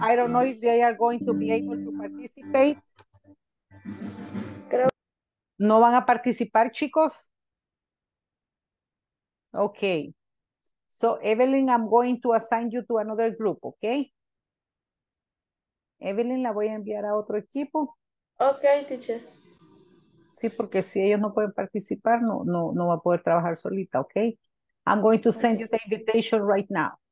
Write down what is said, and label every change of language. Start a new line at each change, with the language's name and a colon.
English: I don't know if they are going to be able to participate.
Spanish: ¿No van a participar, chicos?
English: Okay. So, Evelyn, I'm going to assign you to another group, okay?
Spanish: Evelyn, la voy a enviar a otro equipo.
English: Okay, teacher.
Spanish: Sí, porque si ellos no pueden participar, no va a poder trabajar solita, okay?
English: I'm going to send you the invitation right now.